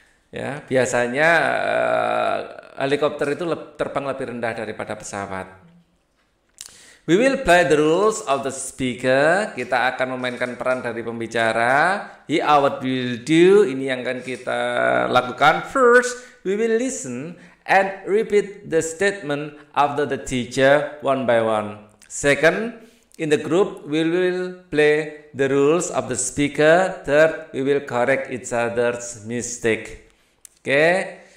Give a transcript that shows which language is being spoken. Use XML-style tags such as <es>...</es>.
<id>Ya, biasanya helikopter itu terbang lebih rendah daripada pesawat.</id> <en>We will play the roles of the speaker.</en> <id>Kita akan memainkan peran dari pembicara.</id> <en>Here what we will do.</en> <id>Ini yang akan kita lakukan.</id> <en>First, we will listen and repeat the statement after the teacher one by one. Second, in the group, we will play the roles of the speaker. Third, we will correct each other's mistake. Okay?</en>